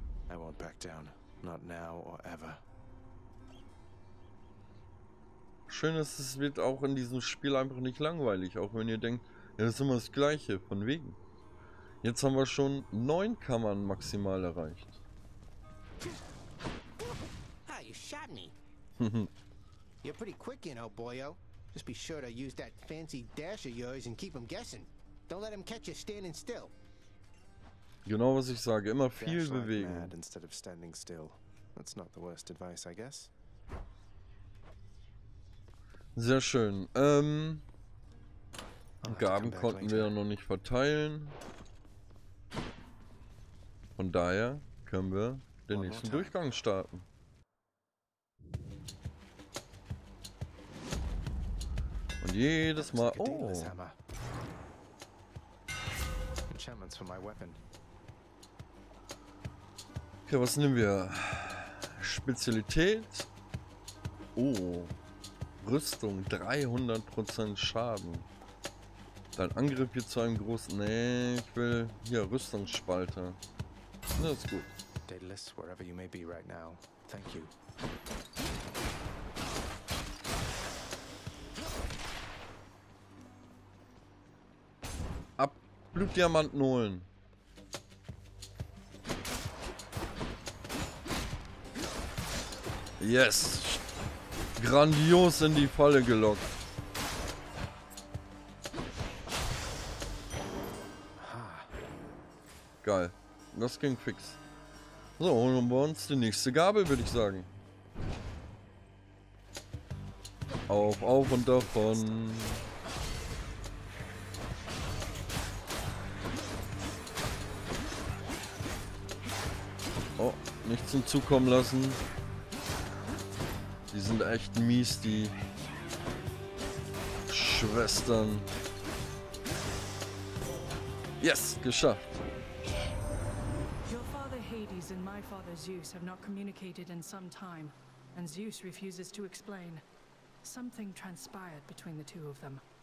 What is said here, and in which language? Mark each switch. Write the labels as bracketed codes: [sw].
[en] I won't back down. Not now or ever. [de] Schön ist, es wird auch in diesem Spiel einfach nicht langweilig. Auch wenn ihr denkt, ja, das ist immer das Gleiche. Von wegen. Jetzt haben wir schon 9 Kammern maximal erreicht. [en] Ah, you shot me. You're pretty quick, you know, boyo. Just be sure to use that fancy dash of yours and keep them guessing. Don't let him catch you standing still. [de] Genau, was ich sage, immer viel dash bewegen. [en] Like mad instead of standing still. That's not the worst advice, I guess. [de] Sehr schön. Gaben konnten wir ja noch nicht verteilen. Von daher können wir den nächsten Durchgang starten. Und jedes Mal. Oh! [en] Enchantments for my weapon. [de] Okay, was nehmen wir? Spezialität. Oh. Rüstung. 300% Schaden. Dein Angriff wird zu einem großen. Nee, ich will. Hier, Rüstungsspalter. Das ist gut. [en] Daedalus, wherever you may be right now. Thank you. [de] Ab Blutdiamanten holen. [en] Yes. [de] Grandios in die Falle gelockt. Geil. Das ging fix. So, holen wir uns die nächste Gabel, würde ich sagen. Auf und davon. Oh, nichts hinzukommen lassen. Die sind echt mies, die Schwestern. Yes, geschafft. [en] Your father Hades and my father Zeus have not communicated in some time, and Zeus refuses to explain. Something transpired between the two of them.